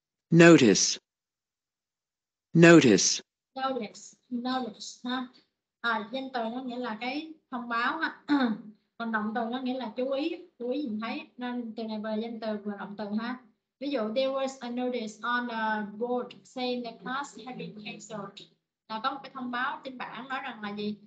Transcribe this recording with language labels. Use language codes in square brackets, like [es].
[en] Notice. Notice. Notice. Notice. Ha? [vi] À, danh từ nó nghĩa là cái thông báo. Ha? Còn động từ nó nghĩa là chú ý. Chú ý nhìn thấy. Nên từ này vừa danh từ vừa động từ. Ha? Ví dụ, [en] there was a notice on the board saying the class had been canceled. [vi] Là có một cái thông báo trên bảng nói rằng là gì?